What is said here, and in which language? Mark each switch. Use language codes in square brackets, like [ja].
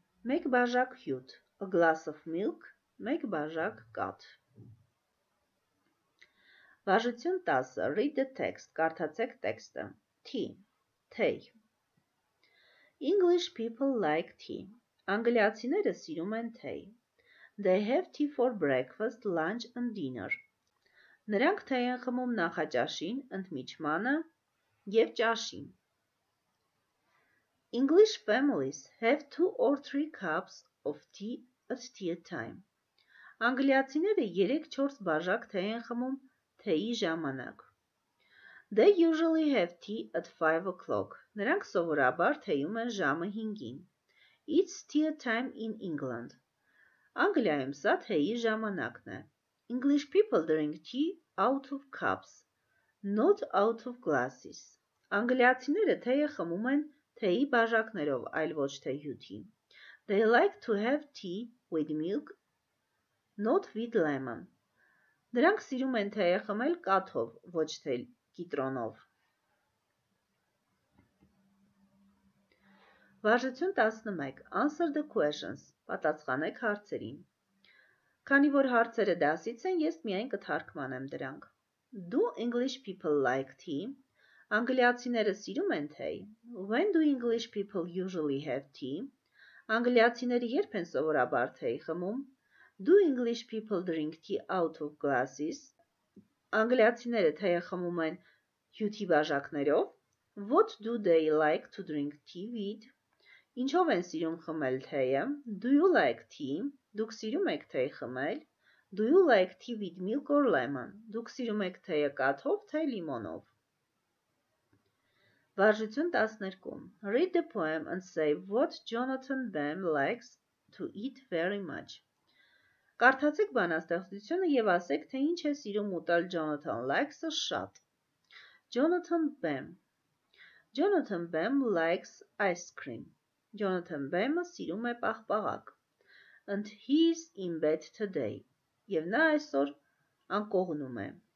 [hy] Մեկ բաժակ հյութ. [en] A glass of milk. [hy] Մեկ բաժակ կաթ. Վարժություն 10. [en] Read the text. [hy] Կարդացեք տեքստը. [en] Tea. [hy] Թեյ. [en] English people like tea. [hy] Անգլիացիները սիրում են թեյ. [en] They have tea for breakfast, lunch and dinner. [hy] Նրանք թեյ են խմում նախաճաշին, ընդմիջմանը և ճաշին. [en] English families have 2 or 3 cups of tea at tea time. [hy] Անգլիացիները 3-4 բաժակ թեյ են խմում թեյի ժամանակ. [en] They usually have tea at 5 o'clock. [hy] Նրանք սովորաբար թեյում են ժամը 5-ին. [en] It's tea time in England. [hy] Անգլիայում սա թեյի ժամանակն է. [en] English people drink tea out of cups, not out of glasses. [hy] Անգլիացիները թեյը խմում են թեյի բաժակներով, այլ ոչ թե հյութի. [en] They like to have tea with milk, not with lemon. [hy] Նրանք սիրում են թեյը խմել կաթով, ոչ թե կիտրոնով. Վարժություն 11. [en] Answer the questions. [hy] Պատասխանեք հարցերին. Քանի որ հարցերը դասից են, ես միայն կթարգմանեմ դրանք. [en] Do English people like tea? [hy] Անգլիացիները սիրում են թեյ. [en] When do English people usually have tea? [hy] Անգլիացիները երբ են սովորաբար թեյ խմում? [en] Do English people drink tea out of glasses? [hy] Անգլիացիները թեյ խմում են հյութի բաժակներով? [en] What do they like to drink tea with? [hy] Ինչով են սիրում խմել թեյը? [en] Do you like tea? [hy] Դուք սիրում եք թեյ խմել? [en] Do you like tea with milk or lemon? [hy] Դուք սիրում եք թեյը կաթով, թե լիմոնով? Վարժություն 12. [en] Read the poem and say what Jonathan Bem likes to eat very much. [hy] Կարդացեք բանաստեղծությունը և ասեք, թե ինչ է սիրում ուտել [en] Jonathan likes- [hy] ը շատ. Jonathan Bem. [en] Jonathan Bem likes ice cream. [hy] Jonathan Bem-ը սիրում է պաղպաղակ. [en] And he is in bed today. [hy] Եվ նա այսօր անկողնում է.